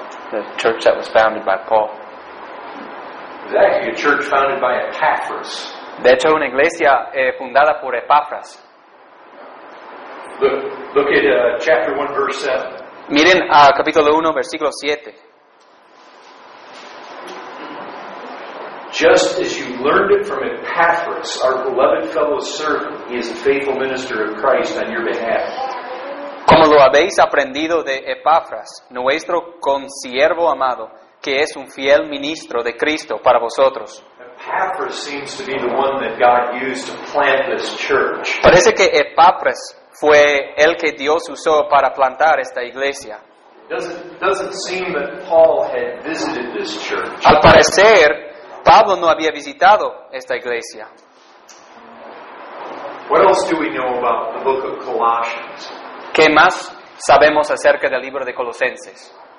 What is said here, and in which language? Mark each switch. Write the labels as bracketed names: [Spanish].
[English] The church that was founded by Paul. Exactly, a church founded by Epaphras. [Spanish] De hecho, una iglesia fundada por Epaphras. [English] Look at chapter 1, verse 7. [Spanish] Miren a capítulo 1, versículo 7. [English] Just as you learned it from Epaphras, our beloved fellow servant, he is a faithful minister of Christ on your behalf. [Spanish] Como lo habéis aprendido de Epaphras, nuestro consiervo amado, que es un fiel ministro de Cristo para vosotros. [English] Epaphras seems to be the one that God used to plant this church. [Spanish] Parece que Epaphras fue el que Dios usó para plantar esta iglesia. [English] Doesn't seem that Paul had visited this church. [Spanish] Al parecer, Pablo no había visitado esta iglesia. [English] What else do we know about the book of Colossians? [Spanish] ¿Qué más sabemos acerca del libro de Colosenses?